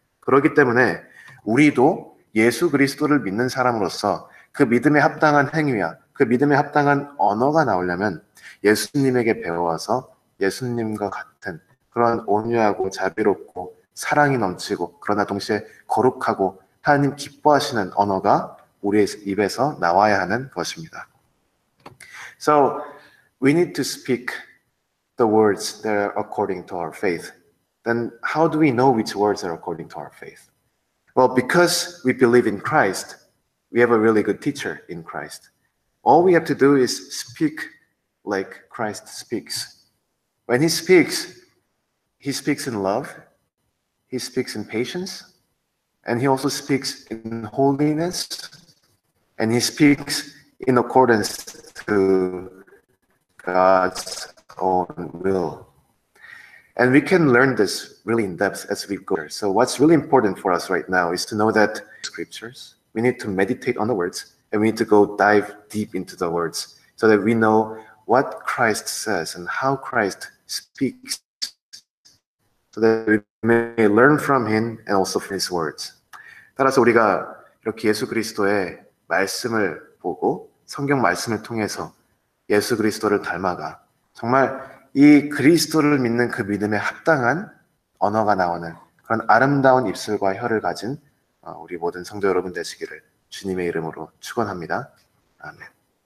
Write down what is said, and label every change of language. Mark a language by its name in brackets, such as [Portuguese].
[Korean] 그렇기 때문에 우리도 예수 그리스도를 믿는 사람으로서 그 믿음에 합당한 행위와 그 믿음에 합당한 언어가 나오려면 예수님에게 배워서 예수님과 같은 그런 온유하고 자비롭고 사랑이 넘치고 그러나 동시에 거룩하고 하나님 기뻐하시는 언어가 우리의 입에서 나와야 하는 것입니다. [English] So we need to speak the words that are according to our faith. Then how do we know which words are according to our faith? Well, because we believe in Christ, we have a really good teacher in Christ. All we have to do is speak like Christ speaks. When he speaks in love, he speaks in patience, and he also speaks in holiness, and he speaks in accordance to God's own will. And we can learn this really in depth as we go. So what's really important for us right now is to know that scriptures, we need to meditate on the words, and we need to go dive deep into the words so that we know what Christ says and how Christ speaks so that we may learn from him and also from his words. [Korean] 따라서 우리가 이렇게 예수 그리스도의 말씀을 보고 성경 말씀을 통해서 예수 그리스도를 닮아가 정말 이 그리스도를 믿는 그 믿음에 합당한 언어가 나오는 그런 아름다운 입술과 혀를 가진 우리 모든 성도 여러분 되시기를 주님의 이름으로 축원합니다. 아멘.